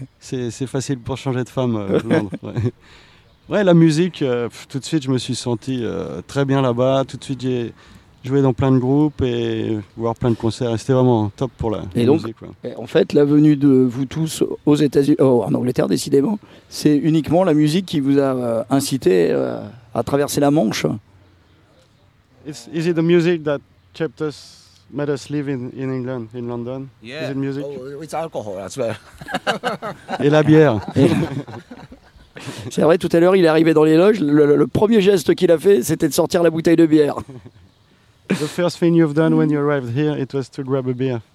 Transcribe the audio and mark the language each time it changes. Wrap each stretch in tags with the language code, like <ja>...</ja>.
<fr>C'est facile pour changer de femme, Londres. Ouais, la musique, tout de suite, je me suis senti très bien là-bas. Tout de suite, j'ai joué dans plein de groupes et voir plein de concerts. Et c'était vraiment top pour la donc, musique. Ouais. En fait, la venue de vous tous aux États-Unis, en Angleterre, décidément, c'est uniquement la musique qui vous a incité à traverser la Manche.</fr> <en>Is it the music that kept us, made us live in England, in London? Yeah. Is it music? Oh, it's alcohol, that's right.</en> <fr>Et la bière. C'est vrai, tout à l'heure, il est arrivé dans les loges. Le premier geste qu'il a fait, c'était de sortir la bouteille de bière.</fr> <en>The first thing you've done when you arrived here, it was to grab a beer.</en>